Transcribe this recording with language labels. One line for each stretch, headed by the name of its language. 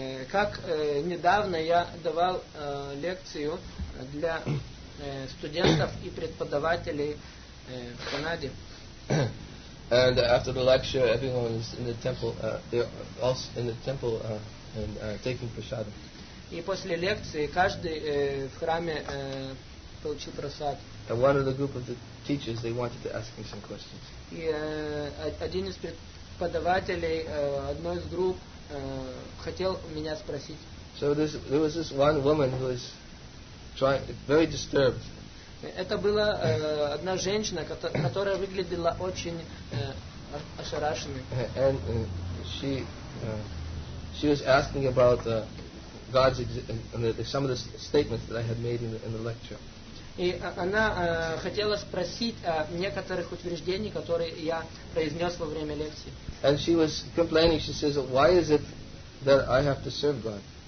Russian: Как недавно я давал лекцию для студентов и преподавателей в Канаде.
English: And after the lecture, everyone is in the temple, they're also in the temple and taking prasadam.
Russian: И после лекции каждый в храме получил просад.
English: And one of the group of the teachers, they wanted to ask me some questions.
Russian: И один из преподавателей одной из групп хотел меня спросить.
English: So there was this one woman who was trying, very disturbed.
Russian: Это была одна женщина, которая выглядела очень ошарашенной.
English: She was asking about God's some of the statements that I had made in the lecture.
Russian: И она хотела спросить о некоторых утверждениях, которые я произнес во время лекции.
English: And she was complaining. She says, "Why is it that I have to serve God?"